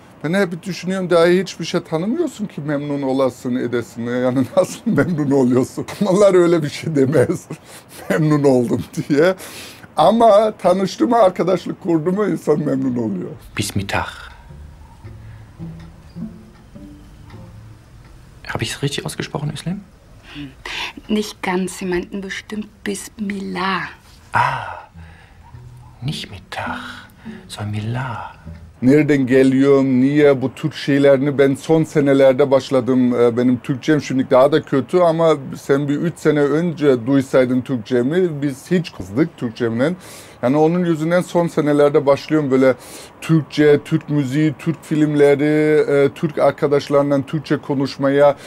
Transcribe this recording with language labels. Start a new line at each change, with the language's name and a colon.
Turkish: Ben hep düşünüyorum, daha hiçbir şey tanımıyorsun ki memnun olasın, edesin. Yani nasıl memnun oluyorsun? Onlar öyle bir şey demez. Memnun oldum diye. Ama tanıştı mı, arkadaşlık kurdu mu insan memnun oluyor.
Arabic: Bismillah.
German: Habe ich es richtig ausgesprochen, Özlem? Nicht ganz, Sie meinten bestimmt Bismillah. Nicht Mittag, sondern Mila.
Turkish: Nereden geliyorum, niye bu Türk şeylerini ben son senelerde başladım. Benim Türkçem şimdi daha da kötü ama sen bir 3 sene önce duysaydın Türkçemi, biz hiç kızdık Türkçemle. Yani onun yüzünden son senelerde başlıyorum böyle Türkçe, Türk müziği, Türk filmleri, Türk arkadaşlarından Türkçe konuşmaya.